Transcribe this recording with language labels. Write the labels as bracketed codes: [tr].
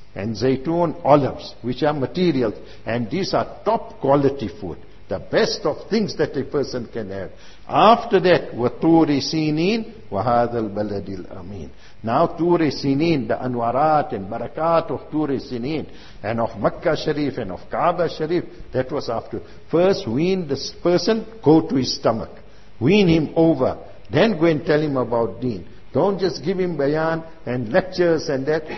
[en] And zaytun, olives, which are materials. And these are top quality food. The best of things that a person can have. After that, [ar] وَطُورِ سِينِينَ وَهَذَا الْبَلَدِ الْأَمِينَ. [en] Now, Tur-e Sinin, the Anwarat and Barakat of Tur-e Sinin, and of Makkah Sharif and of Kaaba Sharif, that was after. First, wean this person, go to his stomach. Wean him over. Then go and tell him about deen. Don't just give him bayan and lectures and that.